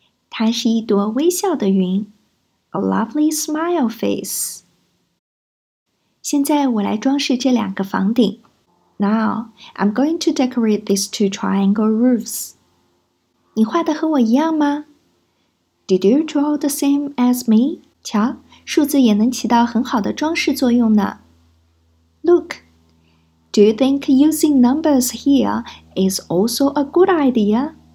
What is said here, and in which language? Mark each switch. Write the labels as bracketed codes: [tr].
[zh] 它是一朵微笑的云 ， [en] a lovely smile face. [zh] 现在我来装饰这两个房顶。 [en] Now, I'm going to decorate these two triangle roofs. [zh] 你画的和我一样吗 ？ [en] Did you draw the same as me? [zh] 瞧。数字也能起到很好的装饰作用呢。 [en] Look, do you think using numbers here is also a good idea?